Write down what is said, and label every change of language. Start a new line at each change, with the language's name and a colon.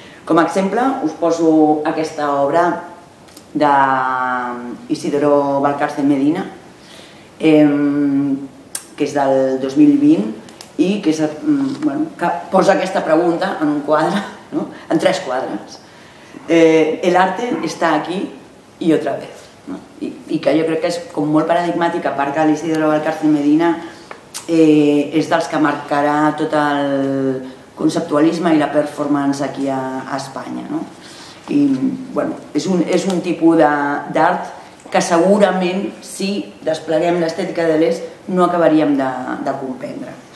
Catalan: Com a exemple, us poso aquesta obra d'Isidoro Valcarce Medina, que és del 2020, i que, és, bueno, que posa aquesta pregunta en un quadre, no? En tres quadres.
Spanish: El arte está aquí y otra vez.
Catalan: No? I que jo crec que és com molt paradigmàtica, a part que l'Isidoro Valcarce Medina és dels que marcarà tot el conceptualisme i la performance aquí a Espanya. No? I bueno, és un tipus d'art que segurament, si despleguem l'estètica de Deleuze, no acabaríem de comprendre.